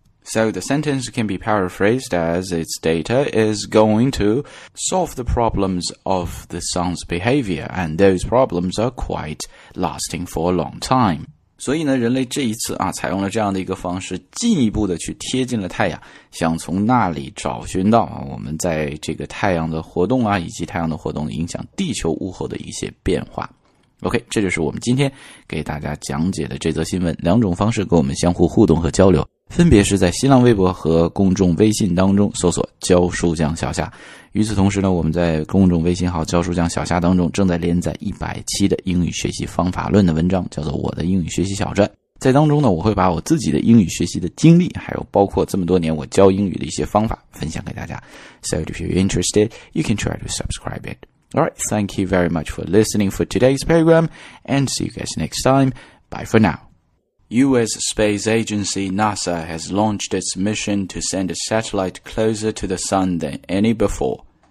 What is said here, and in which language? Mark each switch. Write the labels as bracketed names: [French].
[English] So the sentence can be paraphrased as its data is going to solve the problems of the sun's behavior, and those problems are quite lasting for a long time. [Chinese] 所以呢，人类这一次啊，采用了这样的一个方式，进一步的去贴近了太阳，想从那里找寻到啊，我们在这个太阳的活动啊，以及太阳的活动影响地球物候的一些变化。 OK， 这就是我们今天给大家讲解的这则新闻，两种方式跟我们相互互动和交流，分别是在新浪微博和公众微信当中搜索教书匠小夏。与此同时呢，我们在公众微信号教书匠小夏当中正在连载100期的英语学习方法论的文章，叫做我的英语学习小传。在当中呢，我会把我自己的英语学习的经历，还有包括这么多年我教英语的一些方法分享给大家。 [English] So if you're interested, you can try to subscribe it. Alright, thank you very much for listening for today's program, and see you guys next time. Bye for now. U.S. space agency NASA has launched its mission to send a satellite closer to the sun than any before.